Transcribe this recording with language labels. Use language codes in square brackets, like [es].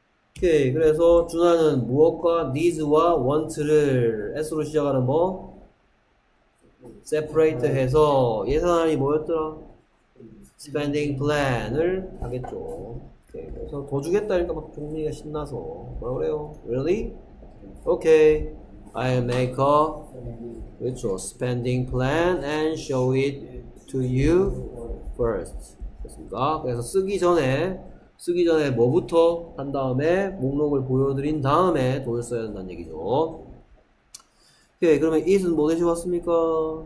[ko] 오케이. 그래서 준하는 무엇과 needs와 want를 s로 시작하는 뭐? separate 해서 예산안이 뭐였더라? spending plan을 하겠죠. 오케이. 그래서 더 주겠다 니까 막 동미가 신나서 뭐라 그래요? [en] really? okay. I'll make a ritual spending plan and show it to you first. [ko] 됐습니까? 그래서 쓰기 전에 뭐부터 한 다음에 목록을 보여드린 다음에 돈을 써야 된다는 얘기죠. 오케이. 그러면 it은 뭐 해주셨습니까?